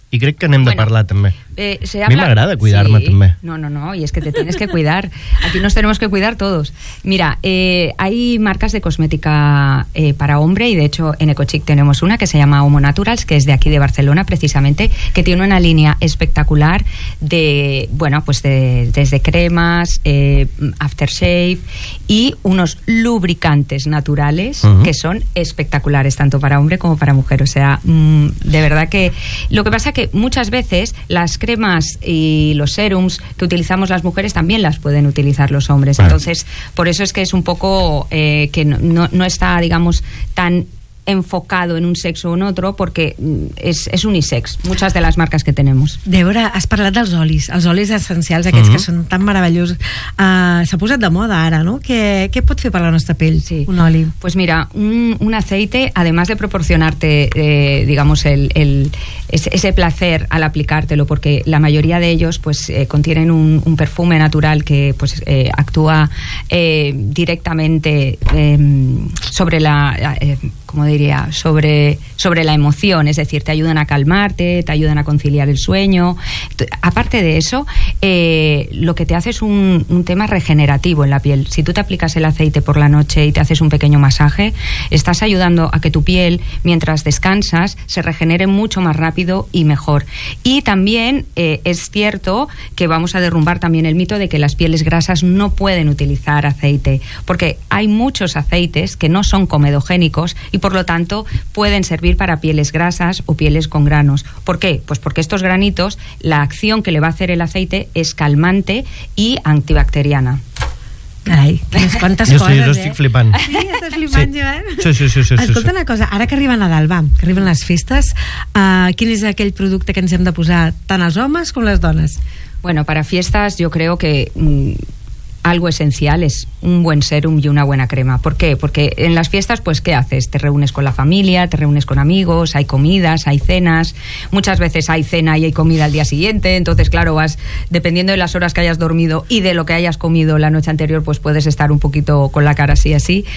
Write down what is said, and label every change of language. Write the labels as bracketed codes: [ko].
[ca] I crec que n'hem de parlar també. A mi m'agrada cuidar-me també. No, i és que [es] te tienes que cuidar. Aquí nos tenemos que cuidar todos. Mira, hay marcas de cosmética para hombre y de hecho en Ecochic tenemos una que se llama Homo Naturals, que es de aquí de Barcelona precisamente, que tiene una línea espectacular de, bueno, pues de, desde cremas, aftershave y unos lubricantes naturales que son espectaculares tanto para hombre como para mujer. O sea, de verdad que lo que pasa que muchas veces las cremas y los serums que utilizamos las mujeres también las pueden utilizar los hombres. Bueno. Entonces, por eso es que es un poco que no está, digamos, tan enfocado en un sexo o en otro, porque es unisex, muchas de las marcas que tenemos. [ca] Débora, has parlat dels olis, els olis essencials, aquests que són tan meravellosos. S'ha posat de moda ara, no? Què pot fer per la nostra pell, un oli? [es] Pues mira, un aceite, además de proporcionarte, digamos, ese placer al aplicártelo, porque la mayoría de ellos pues contienen un perfume natural que pues actúa directamente sobre la... como diría, sobre la emoción, es decir, te ayudan a calmarte, te ayudan a conciliar el sueño. Aparte de eso, lo que te hace es un tema regenerativo en la piel. Si tú te aplicas el aceite por la noche y te haces un pequeño masaje, estás ayudando a que tu piel, mientras descansas, se regenere mucho más rápido y mejor. Y también es cierto que vamos a derrumbar también el mito de que las pieles grasas no pueden utilizar aceite, porque hay muchos aceites que no son comedogénicos y por lo tanto pueden servir para pieles grasas o pieles con granos. ¿Por qué? Pues porque estos granitos, la acción que le va a hacer el aceite es calmante y antibacteriana. [ca] Ai, quantes coses, Jo estic flipant. Sí, estàs flipant, Joan? Sí. Escolta una cosa, ara que arriba Nadal, que arriben les festes, quin és aquell producte que ens hem de posar tant els homes com les dones? [es] Bueno, para fiestas yo creo que... algo esencial es un buen serum y una buena crema. ¿Por qué? Porque en las fiestas, pues, ¿qué haces? Te reúnes con la familia, te reúnes con amigos, hay comidas, hay cenas. Muchas veces hay cena y hay comida al día siguiente. Entonces, claro, vas, dependiendo de las horas que hayas dormido y de lo que hayas comido la noche anterior, pues puedes estar un poquito con la cara así, así.